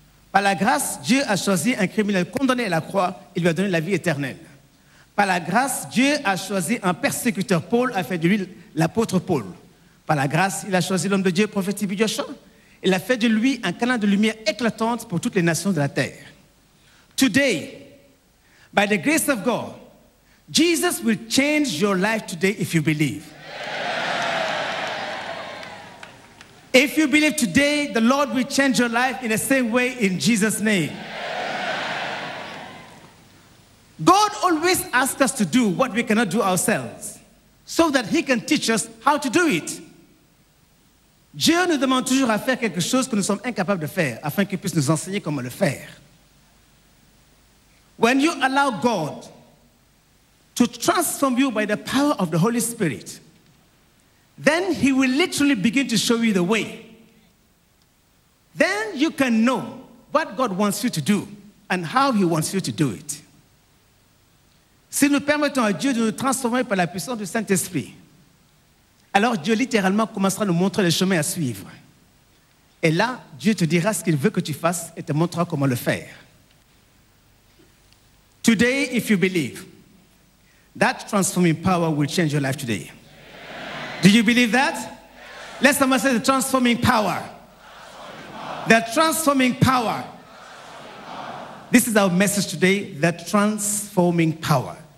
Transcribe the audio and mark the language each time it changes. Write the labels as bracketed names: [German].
[French] Par la grâce, Dieu a choisi un criminel condamné à la croix, il lui a donné la vie éternelle. Par la grâce, Dieu a choisi un persécuteur Paul afin de lui l'apôtre Paul. Par la grâce, il a choisi l'homme de Dieu, prophète T.B. Joshua. Il a fait de lui un canal de lumière éclatante pour toutes les nations de la terre. [English] Today, by the grace of God, Jesus will change your life today if you believe. Yeah. If you believe today, the Lord will change your life in the same way in Jesus' name. Yeah. God always asks us to do what we cannot do ourselves so that he can teach us how to do it. [French] Dieu nous demande toujours à faire quelque chose que nous sommes incapables de faire, afin qu'il puisse nous enseigner comment le faire. [English] When you allow God to transform you by the power of the Holy Spirit, then he will literally begin to show you the way. Then you can know what God wants you to do and how he wants you to do it. [French] Si nous permettons à Dieu de nous transformer par la puissance du Saint-Esprit, alors Dieu littéralement commencera à nous montrer le chemin à suivre. Et là, Dieu te dira ce qu'il veut que tu fasses et te montrera comment le faire. [English] Today, if you believe, that transforming power will change your life today. Yeah. Do you believe that? Yeah. Let someone say the transforming power. Transforming power. The transforming power. Transforming power. This is our message today, the transforming power.